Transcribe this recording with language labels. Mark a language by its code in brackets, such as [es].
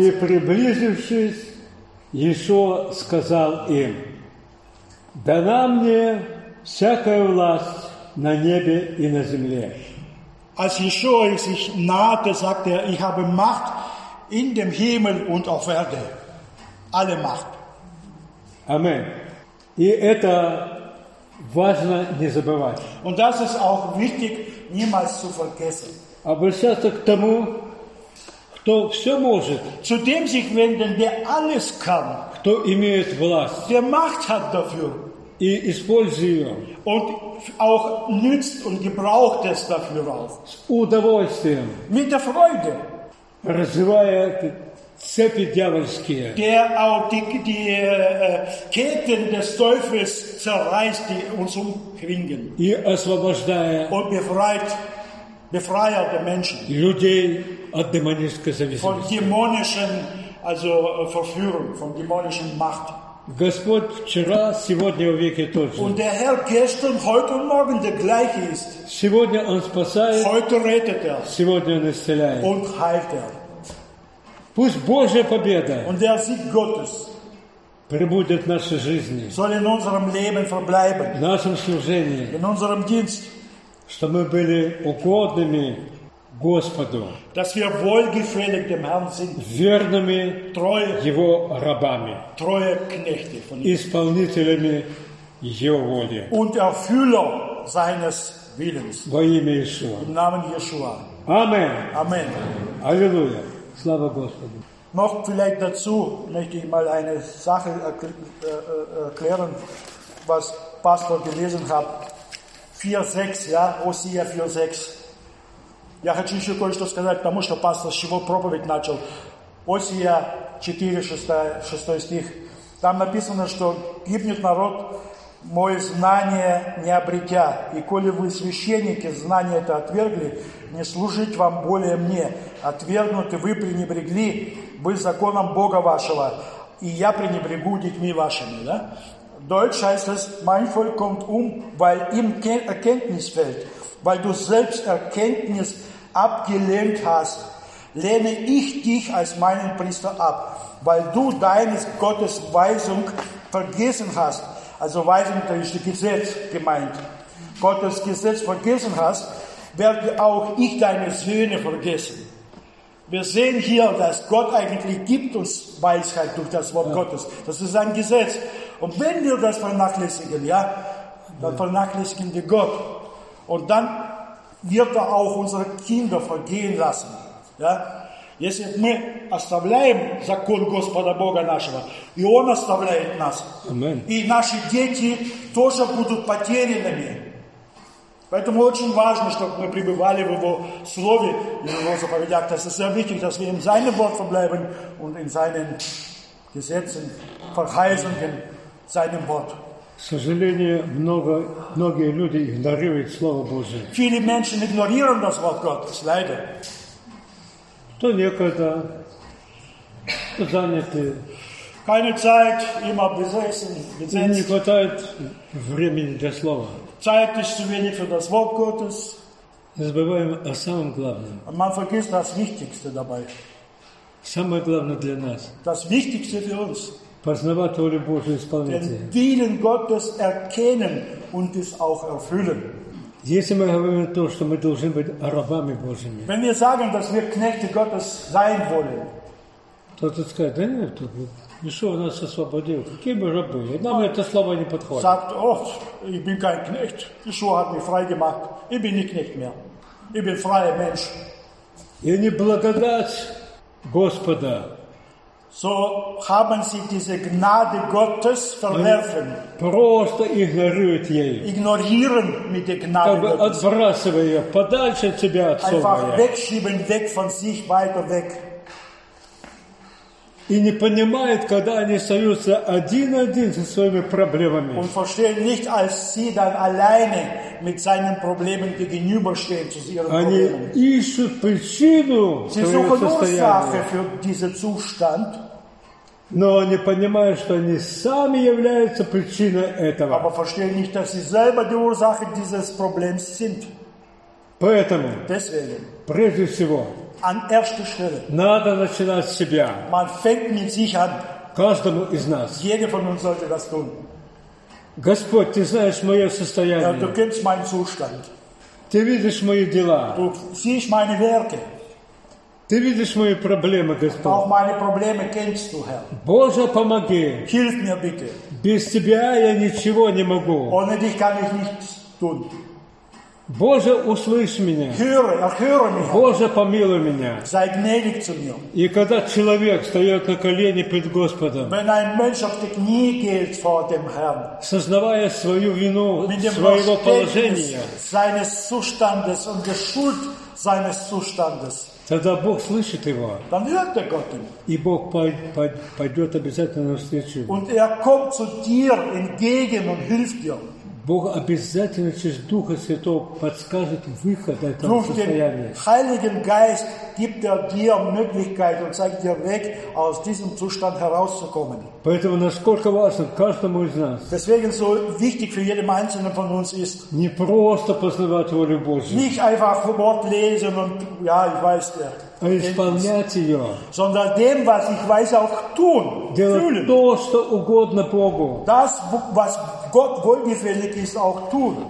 [ru] И приблизившись, Иисус сказал им: «Дана мне всякая власть на небе и на земле». [de] Als Jeschua sich nahte, sagte er, ich habe Macht in dem Himmel und auf Erde. Alle Macht. [ru] Amen. И это важно не забывать. [de] Und das ist auch wichtig, niemals zu vergessen. [ru] Обращаться к тому, кто все может. [de] Zu dem sich wenden, der alles kann. [ru] Кто имеет власть. [de] Der Macht hat dafür. [ru] И используй ее. [de] Und auch nützt und gebraucht es dafür auch. [ru] С удовольствием. [de] Mit der Freude. [ru] Разрывая цепи дьявольские. [de] Der auch die Ketten des Teufels zerreißt, die uns umkringen. [ru] И освобождая. [de] Und befreit. Befreier der Menschen. [ru] Людей от демонической зависимости. [de] Von dämonischen, also Verführung, von dämonischen Macht. [ru] Господь вчера, сегодня, во веки тот же. [de] Und der Herr gestern, heute und morgen der gleiche ist. [ru] Сегодня он спасает. [de] Heute rettet er. [ru] Сегодня он исцеляет. [de] Und heilt er. [ru] Пусть Божья победа. [de] Und der Sieg Gottes. [ru] Пребудет в нашей жизни. [de] Soll in unserem Leben verbleiben. [ru] В нашем служении. [de] In unserem Dienst. [ru] Что мы были угодными Господу. [de] Dass wir wohlgefällig dem Herrn sind. [ru] Верными [de] treue, [ru] Его рабами. [de] Treue Knechte von ihm. [ru] Исполнителями Его воли. [de] Und Erfüller seines Willens. [ru] Во имя Иешуа. [de] Im Namen Jeshua. Amen. Amen. [ru] Аллилуйя. Слава Господу. [de] Noch vielleicht dazu möchte ich mal eine Sache erklären, was Pastor gelesen hat. [ru] 4:6, ja, Осия 4:6. Я хочу еще кое-что сказать, потому что пастор с чего проповедь начал. Осия 4:6 стих. Там написано, что гибнет народ мой, знание не обретя. И коли вы, священники, знание это отвергли, не служить вам более мне. Отвергнуты вы, пренебрегли вы законом Бога вашего, и я пренебрегу детьми вашими, да? [de] Deutsch heißt es, mein Volk kommt um, weil ihm Erkenntnis fehlt, weil du selbst Erkenntnis abgelehnt hast, lehne ich dich als meinen Priester ab, weil du deines Gottes Weisung vergessen hast. Also Weisung, da ist das Gesetz gemeint. Gottes Gesetz vergessen hast, werde auch ich deine Söhne vergessen. Wir sehen hier, dass Gott eigentlich gibt uns Weisheit durch das Wort ja. Gottes. Das ist ein Gesetz. Und wenn wir das vernachlässigen, ja, dann ja. vernachlässigen wir Gott. Und dann wird er auch unsere Kinder vergehen lassen. Ja. [ru] Если мы оставляем закон Господа Бога нашего, и Он оставляет нас, Amen. И наши дети тоже будут потерянными. Поэтому очень важно, чтобы мы пребывали в Его Слове, в Его заповедях. [de] Das ist sehr wichtig, dass wir in seinem Wort verbleiben und in seinen Gesetzen, Verheißungen, seinem Wort. [ru] К сожалению, многие люди игнорируют Слово Божие. [de] Viele Menschen ignorieren das Wort Gottes, leider. [ru] Кто некогда заняты. [de] Keine Zeit, immer besessen. [ru] Им не хватает времени для Слова. [de] Zeit ist zu wenig für das Wort Gottes. [ru] Не забываем о самом главном. [de] Und man vergisst das Wichtigste dabei. [ru] Самое главное для нас. [de] Das Wichtigste für uns. [ru] Познавать волю Божию, исполнять ее. [de] Den Willen Gottes erkennen und es auch erfüllen. [ru] Если мы говорим то, что мы должны быть рабами Божьими. [de] Wenn wir sagen, dass wir Knechte Gottes sein wollen. [ru] То тут сказать, да нет, тут будет. Иисус нас освободил. Какие мы рабы? Нам это слово не подходит. [de] Sagt, oh, ich bin kein Knecht. Иисус hat mich frei gemacht. Ich bin nicht Knecht mehr. Ich bin freier Mensch. [ru] И не благодать Господа. [de] So haben sie diese Gnade Gottes verwerfen. [ru] Просто игнорируют ее. [de] Ignorieren mit der Gnade Gottes. [ru] Как бы отбрасывая ее подальше от себя от Слова. [de] Einfach wegschieben, weg von sich, weiter weg. [ru] И не понимает, когда они остаются один-один со своими проблемами. Он [de] versteht nicht, als sie dann alleine mit seinen Problemen gegenüberstehen zu ihren Problemen. [ru] Они ищут причину своего состояния. [de] Sie suchen Ursache für diesen Zustand. [ru] Но не понимают, что они сами являются причиной этого. [de] Aber verstehen nicht, dass sie selber die Ursache dieses Problems sind. [ru] Поэтому, [de] deswegen, [ru] прежде всего, [de] an erster Stelle. [ru] Надо начинать с себя. [de] Man fängt mit sich an. [ru] Каждому из нас. [de] Jeder von uns sollte das tun. [ru] Господь, ты знаешь мое состояние. [de] Du kennst meinen Zustand. [ru] Ты видишь мои дела. [de] Du siehst meine Werke. [ru] Ты видишь мои проблемы, Господь. [de] Auch meine Probleme kennst du, Herr. [ru] Боже, помоги. [de] Hilf mir bitte. [ru] Без тебя я ничего не могу. [de] Ohne dich kann ich nichts tun. [ru] Боже, услышь меня. [de] Höre, erhöre mich. [ru] Боже, помилуй меня. [de] Sei gnädig zu mir. [ru] И когда человек встает на колени пред Господом, [de] wenn ein Mensch auf die Knie geht vor dem Herrn, [ru] сознавая свою вину, своего положения, [de] seines Zustandes und der Schuld seines Zustandes, [ru] тогда Бог слышит его. [de] Dann hört er Gott. [ru] И Бог пойдет обязательно навстречу. [de] Und er kommt zu dir entgegen und hilft dir. [ru] Бог обязательно через Духа Святого подскажет выход этого состояния. [de] Heiligen Geist gibt er dir Möglichkeit und zeigt dir Weg aus diesem Zustand herauszukommen. [ru] Поэтому насколько важно каждому из нас. [de] Deswegen so wichtig für jeden einzelnen von uns ist. [ru] Не просто познавать волю Божью. [de] Nicht einfach Wort lesen und ja, ich weiß der. [ru] А исполнять ее. [de] Sondern dem, was ich weiß, auch tun. [ru] Делать [de] fühlen. [ru] То, что угодно Богу. [de] Das, was Gott wohlgefällig ist, auch tun.